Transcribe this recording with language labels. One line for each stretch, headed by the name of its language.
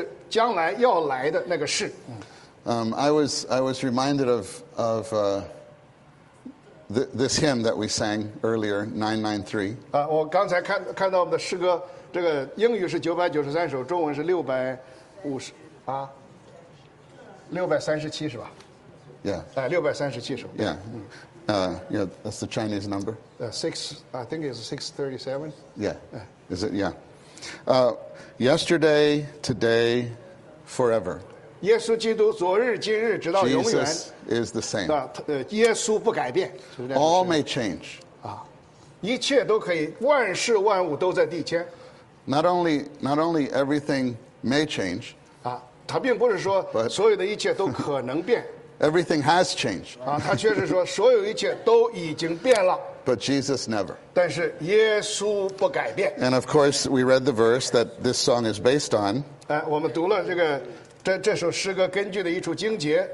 Chinese: 也是将来要来的那个是。
English: I was reminded of this hymn that we sang earlier, 993.
Chinese: 我刚才看到我们的诗歌，这个英语是 993 首，中文是 637 是吧？
English: Yeah.
Chinese: 637 首。
English: Yeah. Yeah, that's the Chinese number. I think it's 637. Yeah. Is it? Yeah. Yesterday, today, forever.
Chinese: 耶稣基督昨日今日直到永远。
English: Jesus is the same.
Chinese: 耶稣不改变。
English: All may change.
Chinese: 一切都可以，万事万物都在递迁。
English: Not only everything may change.
Chinese: 他并不是说所有的一切都可能变。
English: But, Everything has changed.
Chinese: 啊，他确实说所有一切都已经变了。
English: But Jesus never.
Chinese: 但是耶稣不改变。
English: And of course, we read the verse that this song is based on.
Chinese: 哎，我们读了这个这首诗歌根据的一处经节。